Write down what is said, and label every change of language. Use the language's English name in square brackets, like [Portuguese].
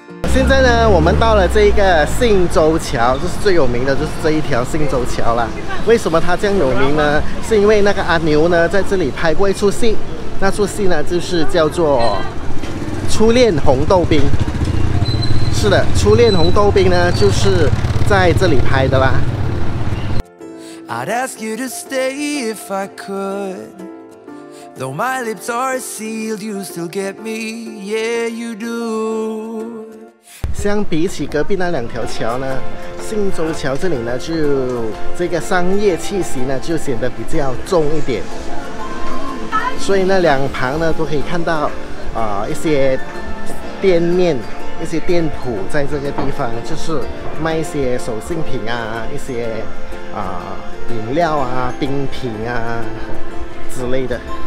[Chinese] 现在呢我们到了这个信州桥，就是最有名的就是这一条信州桥了。为什么它这样有名呢？是因为那个阿牛呢在这里拍过一出戏，那出戏呢就是叫做初恋红豆冰，是的，初恋红豆冰呢就是在这里拍的啦。 [English] I'd ask you to stay if I could. Though my lips are sealed, you still get me. Yeah, you do. [Chinese] 相比起隔壁那两条桥呢，信州桥这里呢，就这个商业气息呢，就显得比较重一点。所以那两旁呢，都可以看到，一些店面、一些店铺在这个地方，就是卖一些手信品啊，一些饮料啊、冰品啊之类的。